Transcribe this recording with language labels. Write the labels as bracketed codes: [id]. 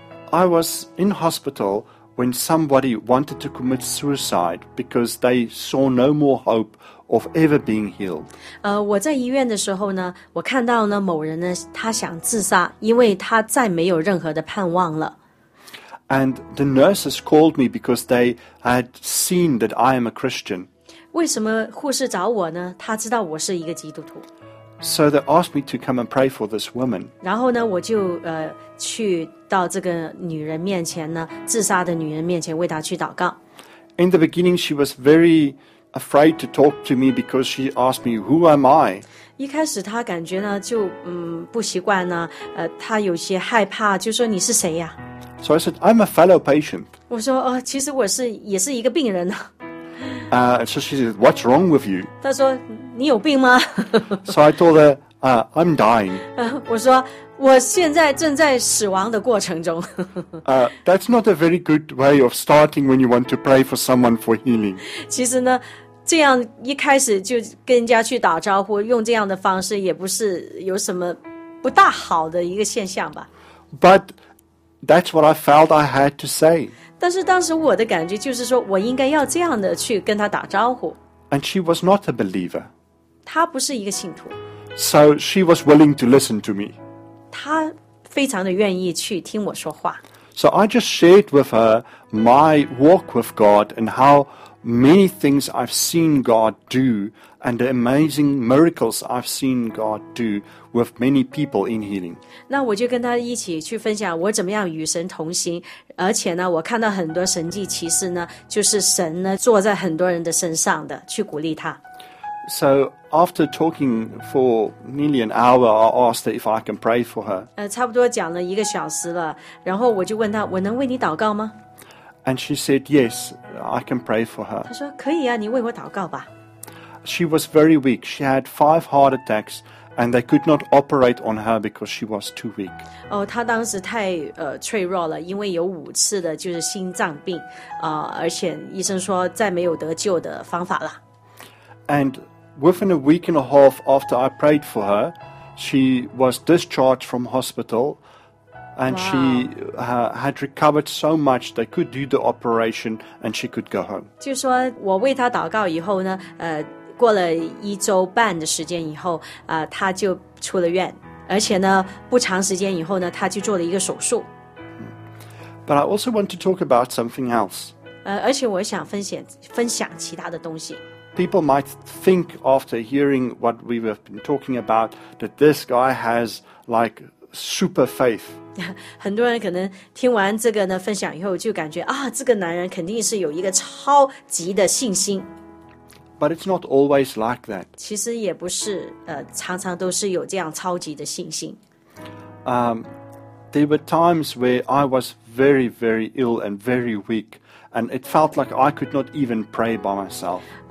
[en] I was in hospital,When somebody wanted to commit suicide because they saw no more hope of ever being healed. [zh] 我在医院的时候呢，我看到呢某人呢，他想自杀，因为他再没有任何的盼望了。 [en] And the nurses called me because they had seen that I am a Christian. [zh] 为什么护士找我呢？他知道我是一个基督徒。 [en] So they asked me to come and pray for this woman. [zh] 然后呢，我就去到这个女人面前呢，自杀的女人面前为她去祷告。 [en] In the beginning, she was very afraid to talk to me because she asked me, "Who am I?" [zh] 一开始她感觉呢就不习惯呢，她有些害怕，就说你是谁呀 [en] ？So I said, "I'm a fellow patient." [zh] 我说其实我是也是一个病人呢。 [en] So she said, "What's wrong with you?" [zh] 她说你有病吗 [en] ？So I told her, "I'm dying." [zh] 我说我现在正在死亡的过程中。 [en] That's not a very good way of starting when you want to pray for someone for healing. [zh] 其实呢，这样一开始就跟人家去打招呼，用这样的方式也不是有什么不大好的一个现象吧。 [en] But that's what I felt I had to say. [zh] 但是当时我的感觉就是说我应该要这样的去跟他打招呼。 [en] And she was not a believer. [zh] 她不是一个信徒。 [en] So she was willing to listen to me. [zh] 她非常的愿意去听我说话。 [en] So I just shared with her my walk with God and how many things I've seen God do and the amazing miracles I've seen God do with many people in healing. [zh] 那我就跟她一起去分享我怎么样与神同行，而且呢我看到很多神迹奇事呢，就是神呢坐在很多人的身上的，去鼓励他。 [en] So after talking for nearly an hour, I asked her if I can pray for her. [zh] 差不多讲了一个小时了，然后我就问她，我能为你祷告吗？ [en] And she said, yes, I can pray for her. [zh] 她说，可以啊，你为我祷告吧。 [en] She was very weak. She had 5 heart attacks, and they could not operate on her because she was too weak. [zh] 哦，她当时太脆弱了，因为有五次的就是心脏病，而且医生说再没有得救的方法了。 [en] And within a week and a half after I prayed for her, she was discharged from hospital, and wow. she had recovered so much they could do the operation and she could go home. [zh] 就说我为她祷告以后呢，过了一周半的时间以后，她就出了院，而且呢，不长时间以后呢，她就做了一个手术。 [en] But I also want to talk about something else. [zh] 而且我想分享其他的东西。 [en] People might think after hearing what we have been talking about that this guy has like super faith. [zh] 很多人可能听完这个呢分享以后就感觉啊，这个男人肯定是有一个超级的信心。 [en] But it's not always like that. [zh] 其实也不是，常常都是有这样超级的信心。 [en] There were times where I was very, very ill and very weak. And it felt like I could not even pray by myself.